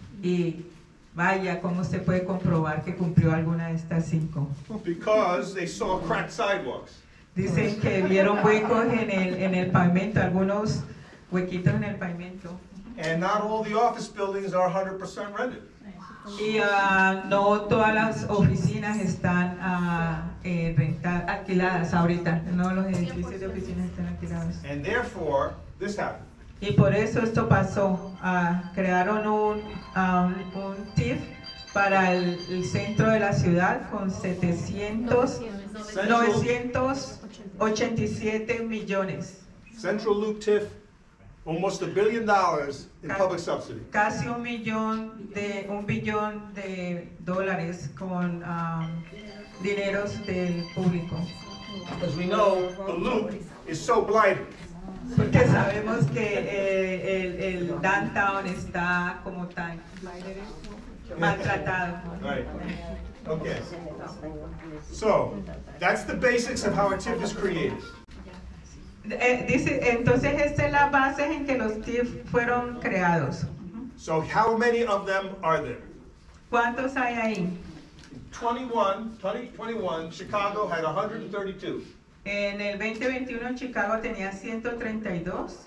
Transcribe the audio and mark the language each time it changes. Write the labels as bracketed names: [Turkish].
[Spanish] Y vaya, ¿cómo se puede comprobar que cumplió alguna de estas 5? [English] Because they saw cracked sidewalks. [Spanish] Dicen que vieron huecos en el pavimento, algunos huequitos en el pavimento. [English] And not all the office buildings are 100% rented. [Spanish] Y no todas las oficinas están alquiladas ahorita. No, los edificios de oficinas están alquilados. [English] And therefore, this happened. [Spanish] Y por eso esto pasó. Crearon un TIF para el centro de la ciudad con 987 millones. [English] Central Loop TIF. Almost $1 billion in public subsidy. [Spanish] Casi $1 billion con dineros del público. [English] As we know, the loop is so blighted. [Spanish] Porque sabemos que el downtown está como tan blighted. maltratado. [English] Right. Okay. So, that's the basics of how a TIF is created. [Spanish] Entonces, esta es la base en que los TIF fueron creados. [English] So, how many of them are there? [Spanish] ¿Cuántos hay ahí? [English] 2021, Chicago had 132. [Spanish] En el 2021, Chicago tenía 132.